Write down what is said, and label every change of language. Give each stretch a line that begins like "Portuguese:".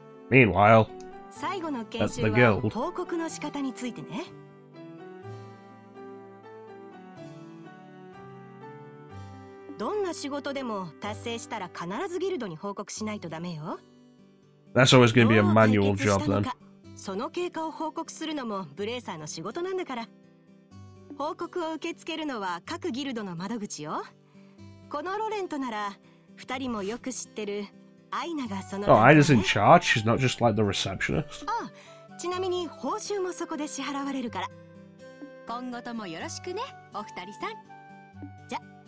English: Meanwhile, at the guild.
Japanese: 報告の仕方についてね。どんな仕事でも達成したら必ずギルドに報告しないとダメよ。
English: That's always going to be a manual job then.
Japanese: その経過を報告するのもブレーサーの仕事なんだから。報告を受け付けるのは各ギルドの窓口よ。このロレントなら二人もよく知ってる。
English: Oh, Ina's in charge. She's not just like the receptionist.
Japanese: Oh, ちなみに報酬もそこで支払われるから。今後ともよろしくね、お二人さん。じゃ、